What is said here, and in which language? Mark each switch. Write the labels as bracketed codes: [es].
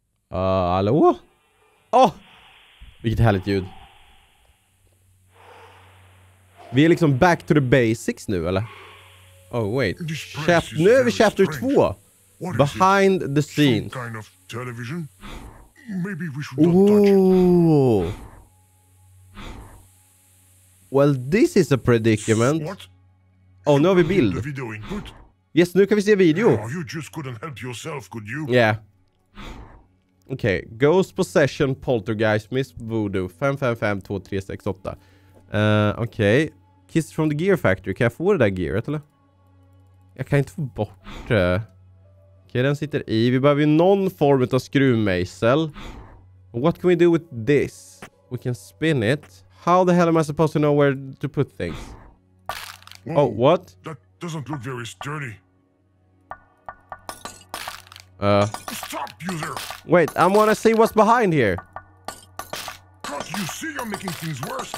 [sv] Hallå? Åh! Oh! Vilket härligt ljud. Vi är liksom back to the basics nu, eller? [en] Oh, wait. Nu är vi chapter 2. Behind the scenes. Some kind of television? Maybe we should not touch it. Ooh. Well, this is a predicament. What? [sv] Oh, nu har vi bild. Yes, nu kan vi se video. [en] You just couldn't help yourself, could you? Yeah. Okej, okay. Ghost Possession Poltergeist Miss Voodoo 555-2368. Okej. Okay. Kiss from the Gear Factory. [sv] Kan jag få det där gearet eller? Jag kan inte få bort det. Okej, okay, den sitter i. Vi behöver ju någon form av skruvmejsel. [en] What can we do with this? We can spin it. How the hell am I supposed to know where to put things? Whoa, oh, what? That doesn't look very sturdy. Stop, user. Wait, I wanna see what's behind here. Cause you see you're making things worse.